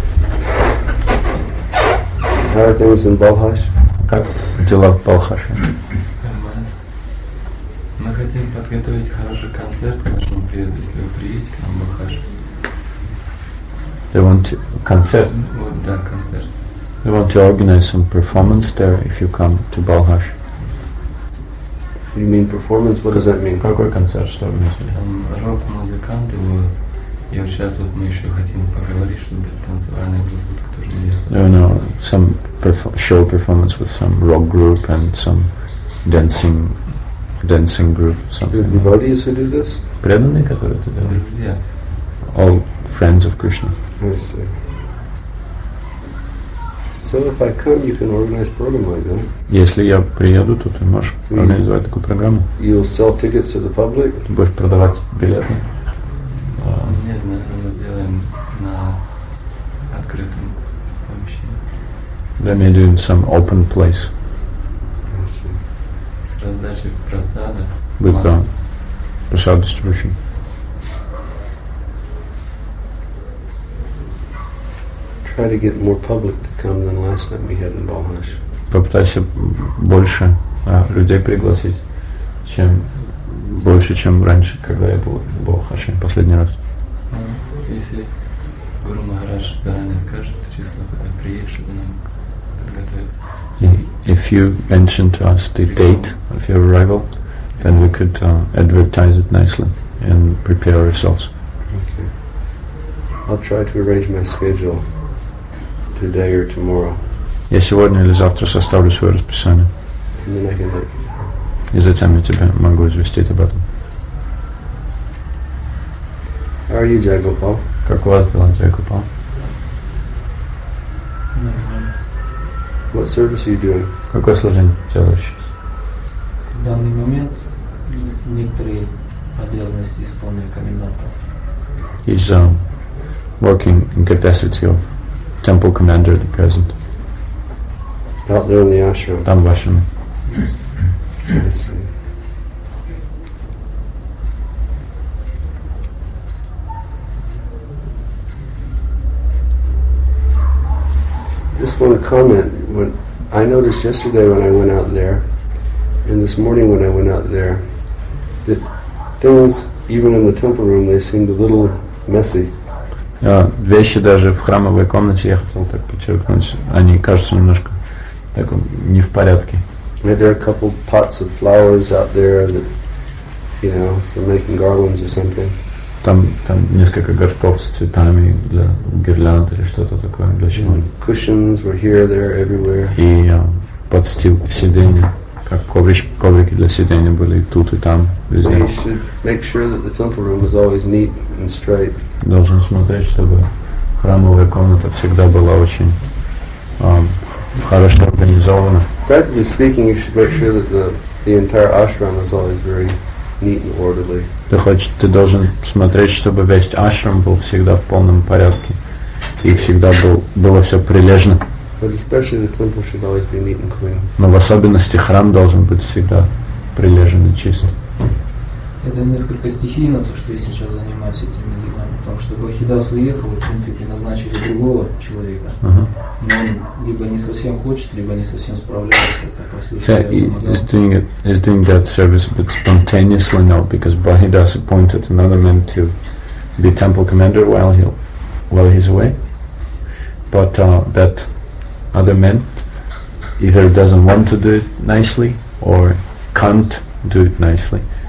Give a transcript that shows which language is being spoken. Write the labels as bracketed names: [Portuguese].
[English] How are things in Balkhash? [Russian] Как дела в Балхаше? Нормально. Мы хотим подготовить хороший концерт к нашему приезду, если вы приедете к нам в Балхаш. [English] They want concert? [Russian] Вот, да, концерт. [English] We want to organize some performance there if you come to Balkhash. You mean performance? What does that mean? [Russian] Какой концерт, что вы имеете? Там рок-музыканты будут. И вот сейчас вот мы еще хотим поговорить, чтобы танцевальные группы тоже интересны. [English] No, some show performance with some rock group and some dancing group, something. Devotees who do this? [Russian] Преданные, которые это делают? Друзья. [English] All friends of Krishna. I see. So if I come, you can organize program like that. [Russian] Если я приеду, то ты можешь организовать такую программу. [English] You'll sell tickets to the public? [Russian] Ты будешь продавать билеты? Нет, мы сделаем на открытом помещении. [English] Let me do in some open place. [Russian] С раздачей просада. [English] With the prasad distribution. Try to get more public to come than last time we had in Balkhash. [Russian] Попытайся больше людей пригласить, чем больше, чем раньше, когда я был в Балкхаше последний раз. Если Гуру Махарадж заранее скажет число, когда приедешь, чтобы нам подготовиться. [English] If you mention to us the date of your arrival, then we could advertise it nicely and prepare ourselves. Okay. I'll try to arrange my schedule. Today or tomorrow. [Russian] Я сегодня или завтра составлю свое расписание. [English] And then I can let you. [Russian] И затем я тебе могу известить об этом. [English] How are you, Jai Gopal? [Russian] Как у вас дела, Jai Gopal? [English] What service are you doing? [Russian] Какое служение делаешь сейчас? В данный момент некоторые обязанности исполняю коменданта. [English] He's working in capacity of temple commander at the present. Out there in the ashram. [Russian] Там в ашраме. [English] I see. Just want to comment. When I noticed yesterday when I went out there, and this morning when I went out there, that things, even in the temple room, they seemed a little messy. [Russian] Вещи даже в храмовой комнате, я хотел так подчеркнуть, они кажутся немножко так, не в порядке. [English] Maybe there are a couple pots of flowers out there that, you know, they're making garlands or something. [Russian] Там несколько горшков с цветами для гирлянд или что-то такое. Для чего? [English] Cushions were here, there, everywhere. [Russian] И подстилки сиденья, как коврики для сиденья были тут и там, везде. [English] You should make sure that the temple room is always neat and straight. [Russian] Должен смотреть, чтобы храмовая комната всегда была очень хорошо организована. [English] Practically speaking, you should make sure that the entire ashram is always very neat and orderly. [Russian] Ты должен смотреть, чтобы весь ашрам был всегда в полном порядке и всегда было все прилежно. [English] But especially the temple should always be neat and clean. [Russian] Но в особенности храм должен быть всегда прилежен и чист. Это несколько стихийно, то, что я сейчас занимаюсь этими делами. Потому что Бахидас уехал, и, в принципе, назначили другого человека. Но он либо не совсем хочет, либо не совсем справляется. [English] He's doing that service a bit spontaneously now, because Bahidas appointed another man to be temple commander while he's away. But that other man either doesn't want to do it nicely or can't do it nicely.